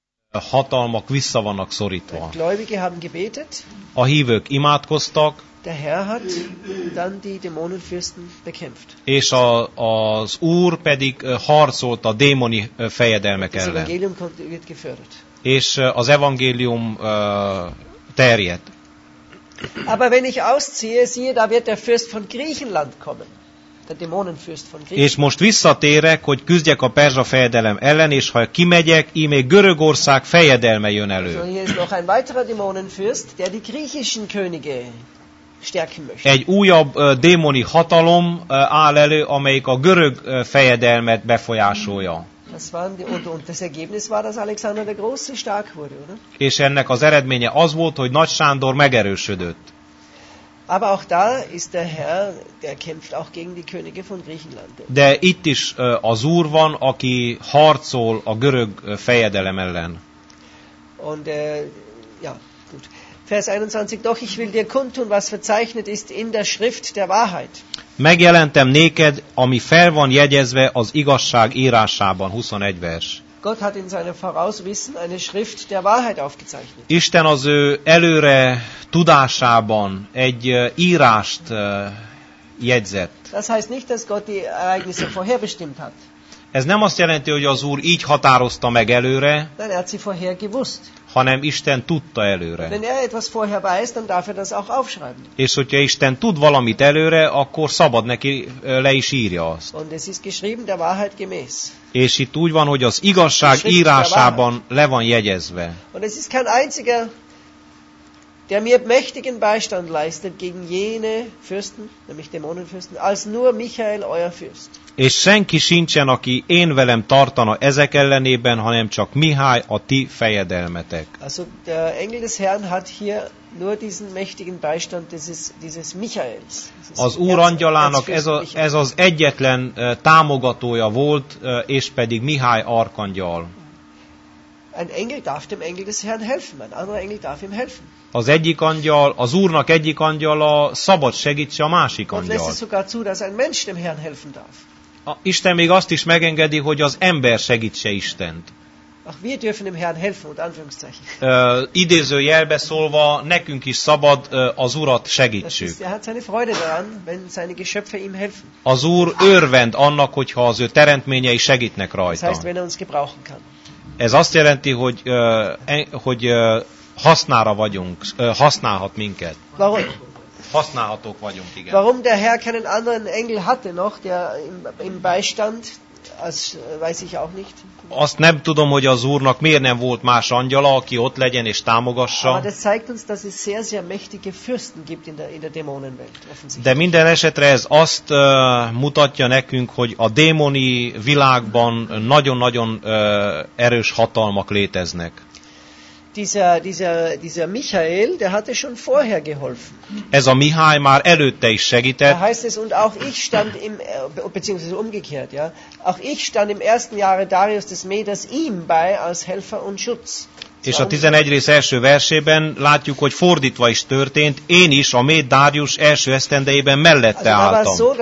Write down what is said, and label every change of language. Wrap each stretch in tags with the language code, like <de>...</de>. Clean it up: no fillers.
<hu>hatalmak vissza vannak szorítva.</hu> <de>A gläubige haben gebetet.</de> <hu>A hívők imádkoztak.</hu> <de>Der Herr hat dann die Dämonenfürsten bekämpft.</de> <hu>És az Úr pedig harcolt a démoni fejedelmek ellen.</hu> <de>Das Evangelium wird geführt.</de> <hu>És az evangélium terjedt.</hu> <de>Aber wenn ich ausziehe, siehe, da wird der Fürst von Griechenland kommen. Der Dämonenfürst von Griechenland.</de> <hu>És most visszatérek, hogy küzdjek a perzsa fejedelem ellen, és ha kimegyek, íme Görögország fejedelme jön elő.</hu> <de>So, hier ist noch ein weiterer Dämonenfürst, der die griechischen Könige stärken möchte.</de> <hu>Egy újabb démoni hatalom áll elő, amelyik a görög fejedelmet befolyásolja.</hu> <de>Das war und das Ergebnis war, dass Alexander der Große stark wurde, oder?</de> <hu>És ennek az eredménye az volt, hogy Nagy Sándor megerősödött.</hu> <de>Aber auch da ist der Herr, der kämpft auch gegen die Könige von Griechenland.</de> <hu>De itt is az Úr van, aki harcol a görög fejedelem ellen.</hu> <de>Und ja, gut. Vers 21, doch ich will dir kundtun, was verzeichnet ist in der Schrift der Wahrheit.</de> <hu>Megjelentem néked, ami fel van jegyezve az igazság írásában. 21 vers.</hu> <de>Gott hat in seinem Vorauswissen eine Schrift der Wahrheit aufgezeichnet.</de> <hu>Isten az ő előre tudásában egy írást jegyzett.</hu> <de>Das heißt nicht, dass Gott die Ereignisse vorherbestimmt hat.</de> <hu>Ez nem azt jelenti, hogy az Úr így határozta meg előre,</hu> <de>nein, er hat sie vorher gewusst.</de> <hu>Hanem Isten tudta előre.</hu> <de>Wenn er etwas vorher weiß, dann darf er das auch aufschreiben.</de> <hu>És hogyha Isten tud valamit előre, akkor szabad neki le is írja azt.</hu> <de>Und es ist geschrieben der Wahrheit gemäß.</de> <hu>És itt úgy van, hogy az igazság írásában le van jegyezve.</hu> <de>Und es ist kein einziger, der mir mächtigen Beistand leistet gegen jene Fürsten, nämlich Dämonenfürsten, als nur Michael, euer Fürst.</de> <hu>És senki sincsen, aki én velem tartana ezek ellenében, hanem csak Mihály, a ti fejedelmetek.</hu> <de>Also der Engel des Herrn hat hier nur diesen mächtigen Beistand dieses Michaels.</de> <hu>Az Úr angyalának ez az egyetlen támogatója volt, és pedig Mihály arkangyal.</hu> <de>Ein Engel darf dem Engel des Herrn helfen, ein anderer Engel darf ihm helfen.</de> <hu>Az egyik angyal, az Úrnak egyik angyala szabad segítse a másik angyalt.</hu> <de>Lesz sogar zu, dass ein Mensch dem Herrn helfen darf.</de> <hu>Isten még azt is megengedi, hogy az ember segítse Istent.</hu> <de>Ach, wir dürfen dem Herrn helfen, und Anführungszeichen.</de> <hu>Idézőjelbe szólva, nekünk is szabad az Urat segítsük.</hu> <de>Er hat seine Freude daran, wenn seine Geschöpfe ihm helfen.</de> <hu>Az Úr örvend annak, hogyha az ő teremtményei segítnek rajta.</hu> <de>Das heißt, wenn er uns gebrauchen kann.</de> <hu>Ez azt jelenti, hogy hasznára vagyunk, használhat minket.</hu> <de>Warum?</de> <hu>Használhatók vagyunk, igen.</hu> <de>Warum der Herr keinen anderen Engel hatte noch, der im Beistand, az weiß ich auch nicht.</de> <hu>Azt nem tudom, hogy az Úrnak miért nem volt más angyala, aki ott legyen és támogassa.</hu> <de>Aber das zeigt uns, dass es sehr, sehr mächtige Fürsten gibt in der Dämonenwelt, offensichtlich.</de> <hu>De minden esetre ez azt mutatja nekünk, hogy a démoni világban nagyon-nagyon erős hatalmak léteznek.</hu> <de>Dieser Michael, der hatte schon vorher geholfen.</de> <hu>Ez a Mihály már előtte is segített.</hu> <de>Da heißt es, und auch ich stand im, beziehungsweise umgekehrt, ja, auch ich stand im ersten Jahre Darius des Medes ihm bei als Helfer und Schutz.</de> <hu>És a 11. rész első versében látjuk, hogy fordítva is történt, én is a Méd Dárius első esztendejében mellette álltam.</hu>